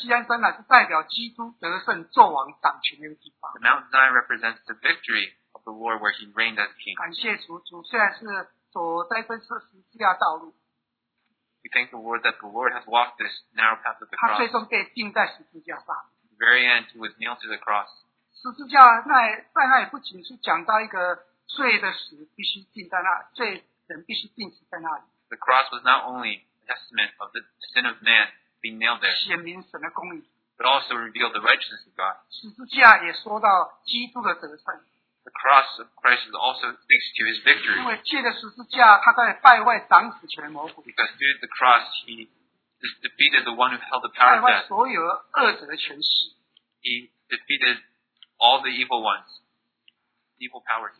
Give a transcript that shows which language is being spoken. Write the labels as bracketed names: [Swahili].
[Chinese] 锡安山乃是代表基督得胜作王掌权的地方。 [English] The Mount Zion represents the victory of the Lord where he reigned as king. [Chinese] 感谢主，主虽然是走在这十字架道路。 [English] We thank the Lord that the Lord has walked this narrow path of the cross. [Chinese] 他最终被钉在十字架上。 [English] The very end, he was nailed to the cross. [Chinese] 十字架那也不仅是讲到一个罪的死必须定在那，罪人必须定死在那里。 [English] The cross was not only a testament of the sin of man being nailed there, [Chinese] 显明神的公义， [English] but also revealed the righteousness of God. [Chinese] 十字架也说到基督的得胜， [English] The cross of Christ is also speaks to his victory. Because through the cross, he defeated the one who held the power of death. He defeated all the evil ones, evil powers.